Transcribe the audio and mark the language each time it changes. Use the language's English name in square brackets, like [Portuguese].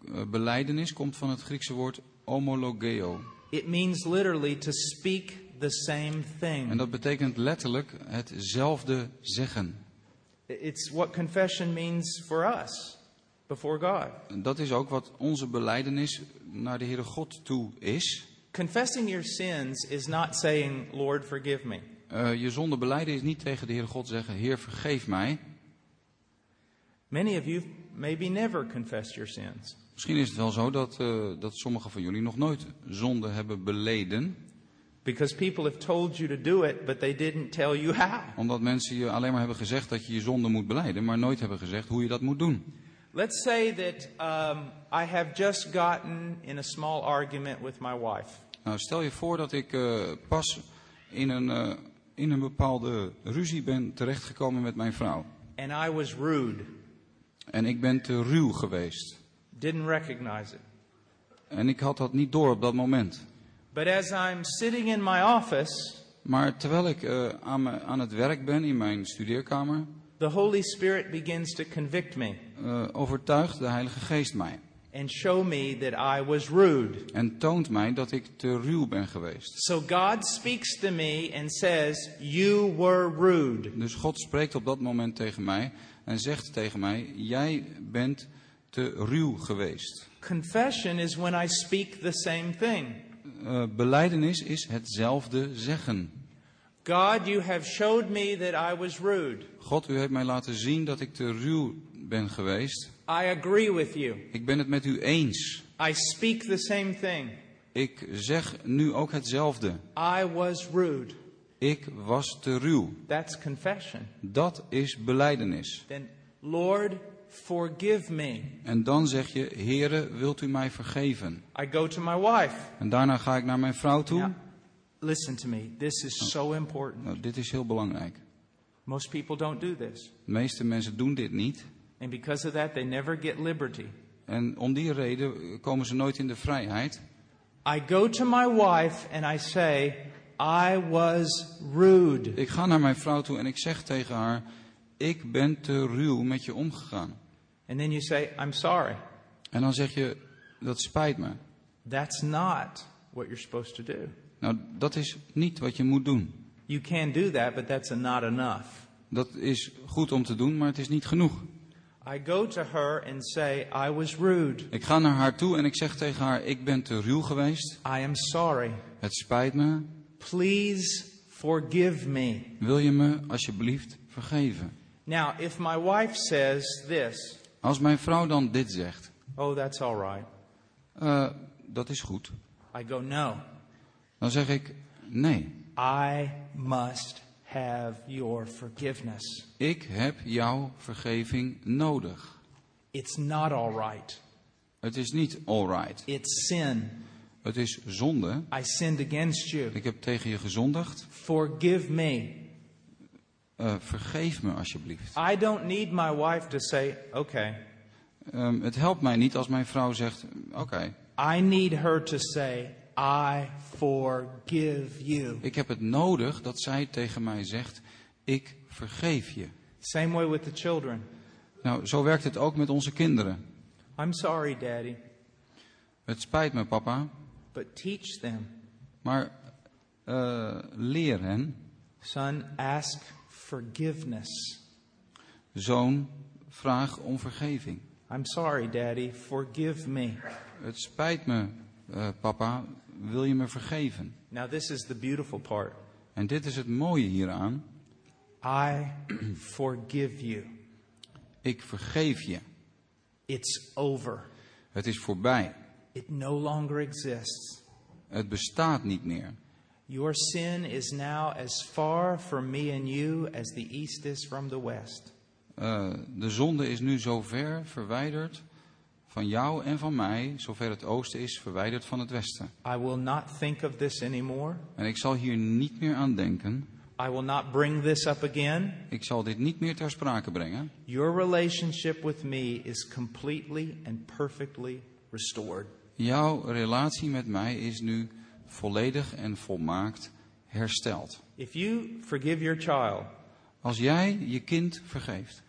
[Dutch] Belijdenis komt van het Griekse woord homologeo. [English] It means literally to speak the same thing. [Dutch] En dat betekent letterlijk hetzelfde zeggen. [English] It's what confession means for us before God. [Dutch] Dat is ook wat onze belijdenis naar de Heere God toe is. [English] Confessing your sins is not saying, Lord, forgive me. [Dutch] Je zonde belijden is niet tegen de Heere God zeggen, Heer, vergeef mij. [English] Many of you maybe never confessed your sins. [Dutch] Misschien is het wel zo dat sommigen van jullie nog nooit zonde hebben beleden. [English] Because people have told you to do it, but they didn't tell you how. [Dutch] Omdat mensen je alleen maar hebben gezegd dat je je zonde moet beleiden, maar nooit hebben gezegd hoe je dat moet doen. [English] Let's say that I have just gotten in a small argument with my wife. [Dutch] Nou, stel je voor dat ik pas in een bepaalde ruzie ben terechtgekomen met mijn vrouw. [English] And I was rude. [Dutch] En ik ben te ruw geweest. [English] Didn't recognize it. [Dutch] En ik had dat niet door op dat moment. [English] But as I'm sitting in my office, [Dutch] maar terwijl ik aan het werk ben in mijn studeerkamer, [English] the Holy Spirit begins to convict me. [Dutch] Overtuigt de Heilige Geest mij. [English] And show me that I was rude. [Dutch] En toont mij dat ik te ruw ben geweest. [English] So God speaks to me and says, "You were rude." [Dutch] Dus God spreekt op dat moment tegen mij en zegt tegen mij, jij bent te ruw geweest. [English] Confession is when I speak the same thing. [Dutch] Belijdenis is hetzelfde zeggen. [English] God, you have showed me that I was rude. [Dutch] God, u heeft mij laten zien dat ik te ruw ben geweest. [English] I agree with you. [Dutch] Ik ben het met u eens. [English] I speak the same thing. [Dutch] Ik zeg nu ook hetzelfde. [English] I was rude. [Dutch] Ik was te ruw. [English] That's confession. [Dutch] Dat is belijdenis. [English] Then, Lord, forgive me. [Dutch] En dan zeg je, Heere, wilt u mij vergeven? [English] I go to my wife. [Dutch] En daarna ga ik naar mijn vrouw toe. [English] Now, listen to me. This is so important. [Dutch] Nou, dit is heel belangrijk. [English] Most people don't do this. [Dutch] De meeste mensen doen dit niet. [English] And because of that, they never get liberty. [Dutch] En om die reden komen ze nooit in de vrijheid. [English] I go to my wife and I say, I was rude. [Dutch] Ik ga naar mijn vrouw toe en ik zeg tegen haar, ik ben te ruw met je omgegaan. [English] And then you say, I'm sorry. [Dutch] En dan zeg je, dat spijt me. [English] That's not what you're supposed to do. [Dutch] Nou, dat is niet wat je moet doen. [English] You can do that, but that's not enough. [Dutch] Dat is goed om te doen, maar het is niet genoeg. [English] I go to her and say, I was rude. [Dutch] Ik ga naar haar toe en ik zeg tegen haar, ik ben te ruw geweest. [English] I am sorry. [Dutch] Het spijt me. [English] Please forgive me. [Dutch] Wil je me alsjeblieft vergeven? [English] Now, if my wife says this, [Dutch] als mijn vrouw dan dit zegt. [English] Oh, that's all right. [Dutch] Dat is goed. [English] I go, no. [Dutch] Dan zeg ik, nee. [English] I must have your forgiveness. [Dutch] Ik heb jouw vergeving nodig. [English] It's not all right. [Dutch] Het is niet all right. [English] It's sin. [Dutch] Het is zonde. [English] I sinned against you. [Dutch] Ik heb tegen je gezondigd. [English] Forgive me. [Dutch] Vergeef me alsjeblieft. [English] I don't need my wife to say, okay. [Dutch] Het helpt mij niet als mijn vrouw zegt, okay. [English] I need her to say, I forgive you. [Dutch] Ik heb het nodig dat zij tegen mij zegt, ik vergeef je. [English] Same way with the children. [Dutch] Nou, zo werkt het ook met onze kinderen. [English] I'm sorry, Daddy. [Dutch] Het spijt me, papa. [English] But teach them. [Dutch] Maar leer hen. [English] Son, ask forgiveness. [Dutch] Zoon, vraag om vergeving. [English] I'm sorry, Daddy. Forgive me. [Dutch] Het spijt me, papa. Wil je me vergeven? [English] Now this is the beautiful part. [Dutch] En dit is het mooie hieraan. [English] I forgive you. [Dutch] Ik vergeef je. [English] It's over. [Dutch] Het is voorbij. [English] It no longer exists. [Dutch] Het bestaat niet meer. [English] Your sin is now as far from me and you as the east is from the west. [Dutch] De zonde is nu zo ver verwijderd van jou en van mij, zover het oosten is, verwijderd van het westen. [English] I will not think of this anymore. [Dutch] En ik zal hier niet meer aan denken. [English] I will not bring this up again. [Dutch] Ik zal dit niet meer ter sprake brengen. [English] Your relationship with me is completely and perfectly restored. [Dutch] Jouw relatie met mij is nu volledig en volmaakt hersteld. [English] If you forgive your child, [Dutch] als jij je kind vergeeft.